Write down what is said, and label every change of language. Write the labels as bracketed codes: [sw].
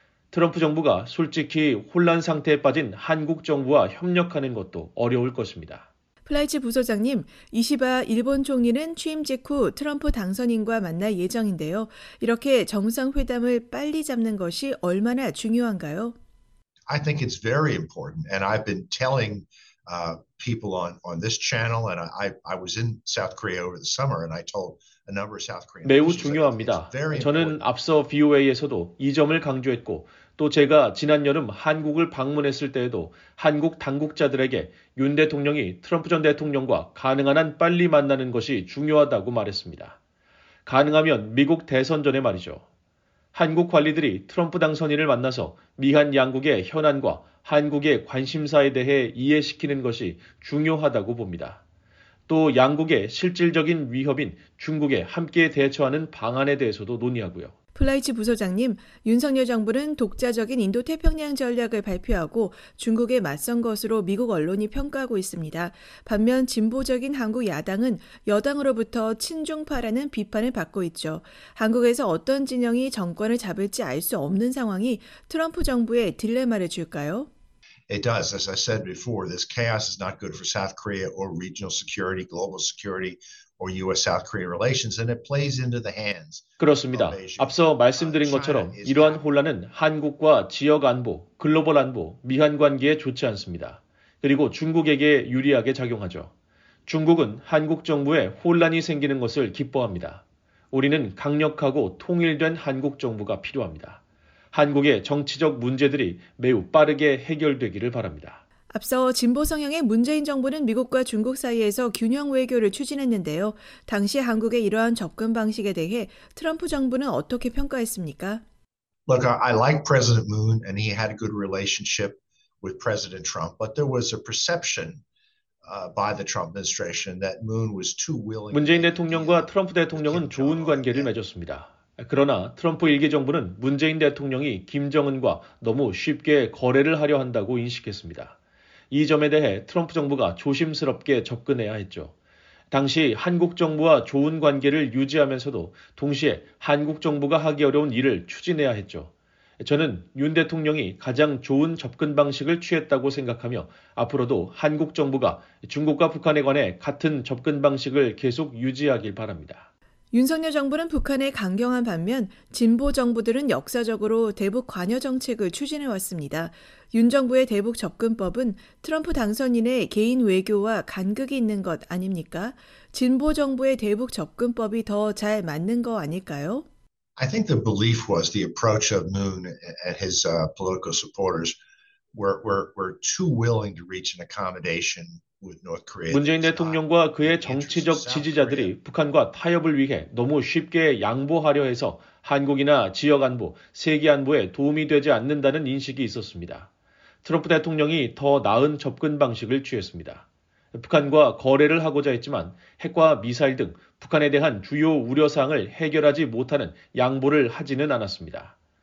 [ko] 트럼프 정부가 솔직히 혼란 상태에 빠진 한국 정부와 협력하는 것도 어려울 것입니다. 플라이츠 부소장님, 이시바 일본 총리는 취임 직후 트럼프 당선인과 만날 예정인데요. 이렇게 정상회담을 빨리 잡는 것이 얼마나 중요한가요? [en] I think it's very important, and I've been telling people on this channel, and I was in South Korea over the summer, and I told a number of South Korean. [ko] 매우 중요합니다. 저는 앞서 VOA에서도 이 점을 강조했고, 또 제가 지난 여름 한국을 방문했을 때에도 한국 당국자들에게 윤 대통령이 트럼프 전 대통령과 가능한 한 빨리 만나는 것이 중요하다고 말했습니다. 가능하면 미국 대선 전에 말이죠. 한국 관리들이 트럼프 당선인을 만나서 미한 양국의 현안과 한국의 관심사에 대해 이해시키는 것이 중요하다고 봅니다. 또 양국의 실질적인 위협인 중국에 함께 대처하는 방안에 대해서도 논의하고요. 플라이츠 부소장님, 윤석열 정부는 독자적인 인도태평양 전략을 발표하고 중국에 맞선 것으로 미국 언론이 평가하고 있습니다. 반면 진보적인 한국 야당은 여당으로부터 친중파라는 비판을 받고 있죠. 한국에서 어떤 진영이 정권을 잡을지 알 수 없는 상황이 트럼프 정부의 딜레마를 줄까요? [en] It does. As I said before, this chaos is not good for South Korea or regional security, global security, or U.S.-South Korea relations, and it plays into the hands. [ko] 그렇습니다. 앞서 말씀드린 것처럼 이러한 혼란은 한국과 지역 안보, 글로벌 안보, 미한 관계에 좋지 않습니다. 그리고 중국에게 유리하게 작용하죠. 중국은 한국 정부에 혼란이 생기는 것을 기뻐합니다. 우리는 강력하고 통일된 한국 정부가 필요합니다. 한국의 정치적 문제들이 매우 빠르게 해결되기를 바랍니다. 앞서 진보 성향의 문재인 정부는 미국과 중국 사이에서 균형 외교를 추진했는데요. 당시 한국의 이러한 접근 방식에 대해 트럼프 정부는 어떻게 평가했습니까? [en] Look, I like President Moon and he had a good relationship with President Trump, but there was a perception by the Trump administration that Moon was too willing. [ko] 문재인 대통령과 트럼프 대통령은 좋은 관계를 맺었습니다. 그러나 트럼프 일기 정부는 문재인 대통령이 김정은과 너무 쉽게 거래를 하려 한다고 인식했습니다. 이 점에 대해 트럼프 정부가 조심스럽게 접근해야 했죠. 당시 한국 정부와 좋은 관계를 유지하면서도 동시에 한국 정부가 하기 어려운 일을 추진해야 했죠. 저는 윤 대통령이 가장 좋은 접근 방식을 취했다고 생각하며 앞으로도 한국 정부가 중국과 북한에 관해 같은 접근 방식을 계속 유지하길 바랍니다. 윤석열 정부는 북한에 강경한 반면 진보 정부들은 역사적으로 대북 관여 정책을 추진해왔습니다. 윤 정부의 대북 접근법은 트럼프 당선인의 개인 외교와 간극이 있는 것 아닙니까? 진보 정부의 대북 접근법이 더 잘 맞는 거 아닐까요? [en] I think the belief was the approach of Moon and his political supporters were too willing to reach an accommodation. [ko] 문재인 대통령과 그의 정치적 지지자들이 북한과 타협을 위해 너무 쉽게 양보하려 해서 한국이나 지역 안보, 세계 안보에 도움이 되지 않는다는 인식이 있었습니다. 트럼프 대통령이 더 나은 접근 방식을 취했습니다. 북한과 거래를 하고자 했지만 핵과 미사일 등 북한에 대한 주요 우려사항을 해결하지 못하는 양보를 하지는 않았습니다.